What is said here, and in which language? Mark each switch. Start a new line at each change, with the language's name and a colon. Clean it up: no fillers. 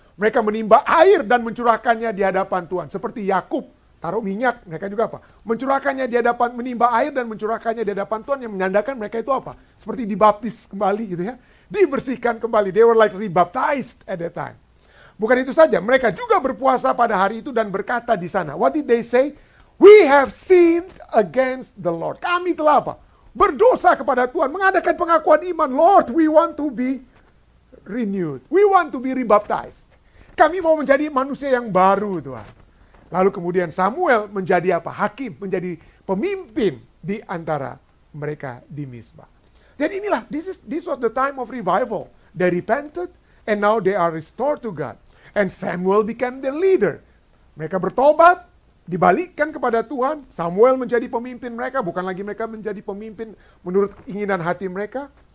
Indonesian: Mereka menimba air dan mencurahkannya di hadapan Tuhan. Seperti Yakub taruh minyak, mereka juga apa? Mencurahkannya di hadapan, menimba air dan mencurahkannya di hadapan Tuhan yang menandakan mereka itu apa? Seperti dibaptis kembali gitu ya. Dibersihkan kembali.
English: They were like rebaptized at that time.
Indonesian: Bukan itu saja. Mereka juga berpuasa pada hari itu dan berkata di sana.
English: What did they say? We have sinned against the Lord.
Indonesian: Kami telah apa? Berdosa kepada Tuhan. Mengadakan pengakuan iman.
English: Lord, we want to be renewed. We want to be rebaptized.
Indonesian: Kami mau menjadi manusia yang baru, Tuhan. Lalu kemudian Samuel menjadi apa? Hakim. Menjadi pemimpin di antara mereka di Mizpah. Jadi inilah,
English: this was the time of revival. They repented, and now they are restored to God. And Samuel became their leader.
Indonesian: Mereka bertobat, dibalikkan kepada Tuhan. Samuel menjadi pemimpin mereka, bukan lagi mereka menjadi pemimpin menurut keinginan hati mereka.